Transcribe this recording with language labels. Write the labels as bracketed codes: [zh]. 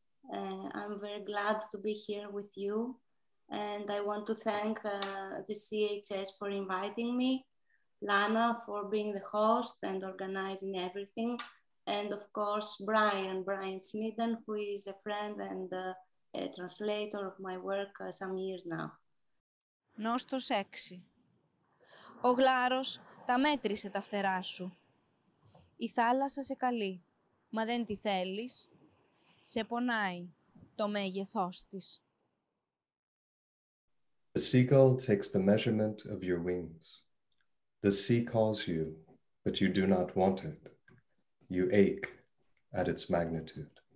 [en] I'm very glad to be here with you, and I want to thank the CHS for inviting me, Lana for being the host and organizing everything, and of course Brian Sneeden, who is a friend and a translator of my work some years now. [el] Νόστος 6. Ο γλάρος τα μέτρησε τα φτερά σου. Η θάλασσα σε καλεί, μα δεν τη θέλεις. Σε πονάει το μέγεθός της. [en] The seagull takes the measurement of your wings. The sea calls you, but you do not want it. You ache at its magnitude.